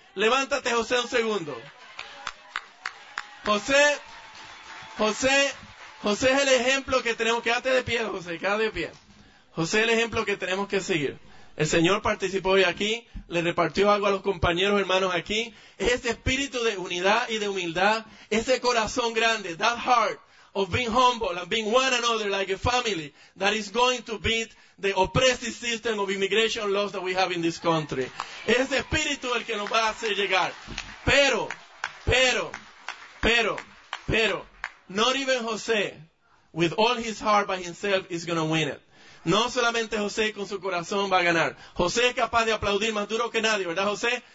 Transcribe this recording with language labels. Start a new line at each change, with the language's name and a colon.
Spanish: Levántate, José, un segundo. José es el ejemplo que tenemos que... Quédate de pie, José. José es el ejemplo que tenemos que seguir. El Señor participó hoy aquí, le repartió algo a los compañeros hermanos aquí. Es ese espíritu de unidad y de humildad, ese corazón grande,
English: that heart of being humble and being one another like a family, that is going to beat the oppressive system of immigration laws that we have in this country.
Spanish: Es ese espíritu el que nos va a hacer llegar.
English: Pero, not even José, with all his heart by himself, is going to win it.
Spanish: No solamente José con su corazón va a ganar. José es capaz de aplaudir más duro que nadie, ¿verdad, José?